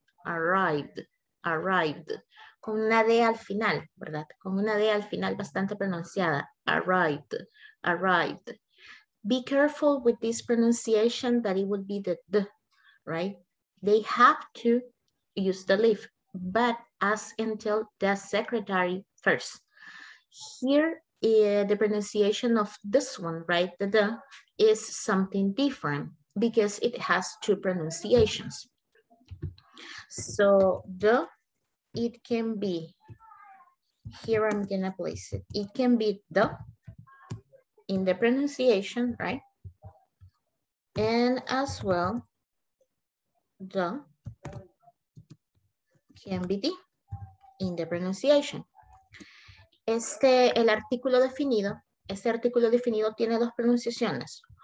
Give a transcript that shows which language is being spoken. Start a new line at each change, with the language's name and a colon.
English: Arrived, arrived,
Spanish: con una D al final, ¿verdad? Con una D al final bastante pronunciada.
English: Arrived, arrived. Be careful with this pronunciation that it would be the D, right? They have to use the lift, but ask and tell the secretary first. Here, the pronunciation of this one, right, the D, is something different because it has two pronunciations. So the, it can be, here I'm gonna place it. It can be the, in the pronunciation, right? And as well, the can be the, in the pronunciation.
Spanish: Este, el artículo definido, este artículo definido tiene dos pronunciaciones.